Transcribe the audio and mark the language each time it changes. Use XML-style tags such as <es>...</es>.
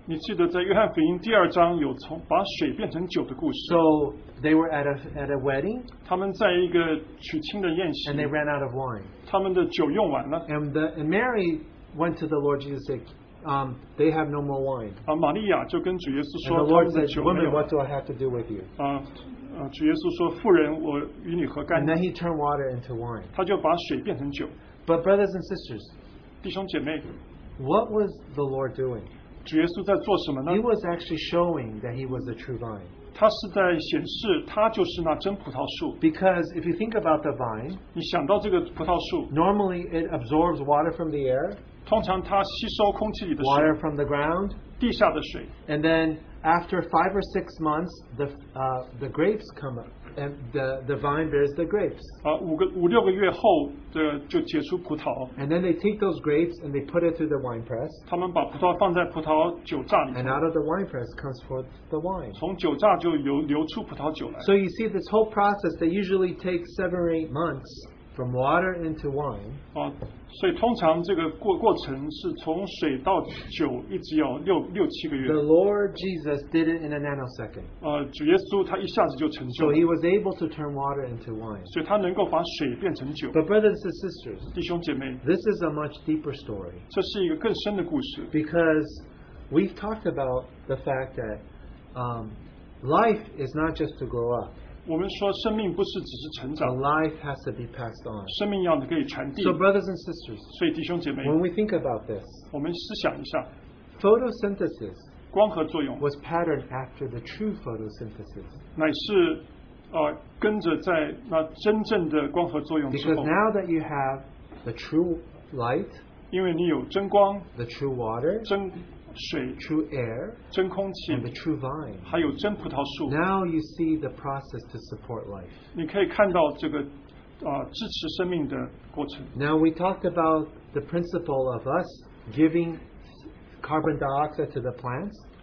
<zh>你记得在约翰福音第二章有从把水变成酒的故事。</zh> <en>So they were at a wedding,</en> <zh>他们在一个娶亲的宴席,</zh> <en>and they ran out of wine.</en> <zh>他们的酒用完了,</zh> <en>and Mary went to the Lord Jesus and said, they have no more wine.</en> <zh>玛利亚就跟主耶稣说,</zh> <en>and the Lord said, woman, what do I have to do with you?</en> <zh>主耶稣说, 妇人, 我与你何干?</zh> <en>And then he turned water into wine.</en> <zh>他就把水变成酒。</zh> <en>But brothers and sisters,</en> <zh>弟兄姐妹,</zh> <en>what was the Lord doing?</en> <zh>主耶稣在做什么呢?</zh> <en>He was actually showing that he was the true vine.</en> <zh>他是在显示他就是那真葡萄树。</zh> <en>Because if you think about the vine,</en> <zh>你想到这个葡萄树,</zh> <en>normally it absorbs water from the air,</en> <zh>通常它吸收空气里的水,</zh> <en>water from the ground,</en> <zh>地下的水,</zh> <en>and then after 5 or 6 months, the grapes come up, and the vine bears the grapes.</en> <zh>五六个月后就结出葡萄,</zh> <en>and then they take those grapes and they put it through the wine press.</en> <zh>他们把葡萄放在葡萄酒榨里,</zh> <en>and out of the wine press comes forth the wine.</en> <zh>从酒榨就流出葡萄酒来。</zh> <en>So you see, this whole process that usually takes 7 or 8 months, from water into wine.</en> <zh>所以通常这个过程是从水到酒一直要六七个月。</zh> <en>The Lord Jesus did it in a nanosecond.</en> <zh>主耶稣他一下子就成就了。</zh> <en>So he was able to turn water into wine.</en> <zh>所以他能够把水变成酒。</zh> <en>But brothers and sisters,</en> <zh>弟兄姐妹,</zh> <en>this is a much deeper story.</en> <zh>这是一个更深的故事。</zh> <en>Because we've talked about the fact that life is not just to grow up.</en> <zh>我们说生命不是只是成长,</zh> <en>a life has to be passed on.</en> <zh>生命要可以传递,</zh> <en>so brothers and sisters,</en> <zh>所以弟兄姐妹,</zh> <en>when we think about this,</en> <zh>我们思想一下,</zh> <en>photosynthesis</en> <zh>光合作用,</zh> <en>was patterned after the true photosynthesis.</en> <zh>乃是, 跟着在那真正的光合作用之后,</zh> <en>because now that you have the true light,</en> <zh>因为你有真光,</zh> <en>the true water,</en> <zh>真水,</zh> <en>true air,</en> <zh>真空气,</zh> <en>and the true vine,</en> <zh>还有真葡萄树,</zh> <en>now you see the process to support life.</en> <zh>你可以看到这个, 支持生命的过程。</zh> <en>Now we talked about the principle of us giving carbon dioxide to the plants.</en>